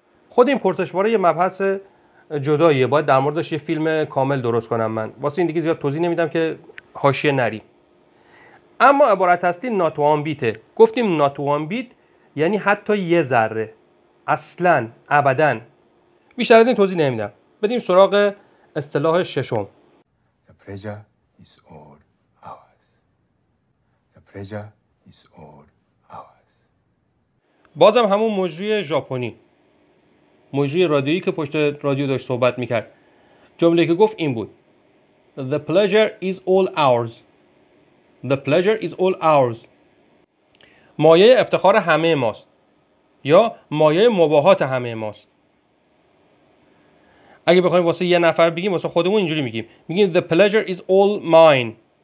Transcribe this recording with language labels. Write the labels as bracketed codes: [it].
[fa] خود این پرسش باره یه مبحث جداییه، باید در موردش یه فیلم کامل درست کنم من، واسه این دیگه زیاد توضیح نمیدم که حاشیه نریم. اما عبارت هستی [en] not one bit. [fa] گفتیم not one bit یعنی حتی یه ذره، اصلا، ابدا. بیشتر از این توضیح نمیدم. بدیم سراغ اصطلاح ششم. [en] The pleasure is all ours. The pleasure is all ours. [fa] بازم همون مجری ژاپنی. مجری رادیویی که پشت رادیو داشت صحبت میکرد. جمله که گفت این بود. [en] The pleasure is all ours. The pleasure is all ours. [fa] مایه افتخار همه ماست یا مایه مباهات همه ماست. اگه بخوایم واسه یه نفر بگیم، واسه خودمون اینجوری میگیم، میگیم [en] The pleasure is all mine.